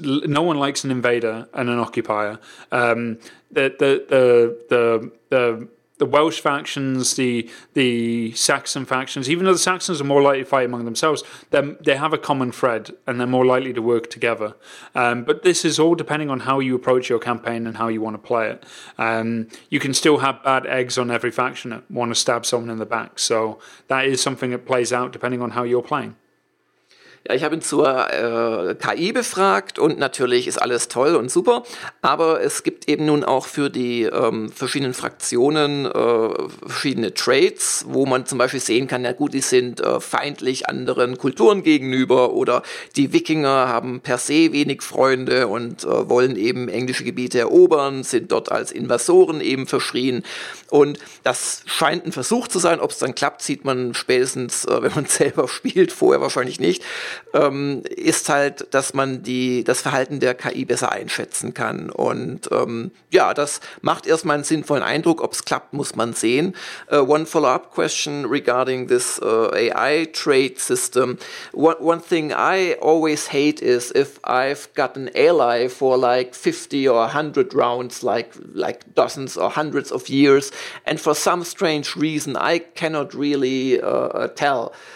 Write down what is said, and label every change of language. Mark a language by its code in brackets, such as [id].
[en] No one likes an invader and an occupier. The Welsh factions, the Saxon factions, even though the Saxons are more likely to fight among themselves, they have a common thread and they're more likely to work together. But this is all depending on how you approach your campaign and how you want to play it. You can still have bad eggs on every faction that want to stab someone in the back. So that is something that plays out depending on how you're playing. [de] Ja, ich habe ihn zur KI befragt und natürlich ist alles toll und super, aber es gibt eben nun auch für die verschiedenen Fraktionen verschiedene Traits, wo man zum Beispiel sehen kann, ja gut, die sind feindlich anderen Kulturen gegenüber oder die Wikinger haben per se wenig Freunde und wollen eben englische Gebiete erobern, sind dort als Invasoren eben verschrien und das scheint ein Versuch zu sein. Ob es dann klappt, sieht man spätestens, wenn man selber spielt, vorher wahrscheinlich nicht. Ist halt, dass man das Verhalten der KI besser einschätzen kann. Und ja, das macht erstmal einen sinnvollen Eindruck. Ob es klappt, muss man sehen. [en] One follow-up question regarding this AI trade system. One thing I always hate is if I've got an ally for like 50 or 100 rounds, like dozens or hundreds of years, and for some strange reason I cannot really tell.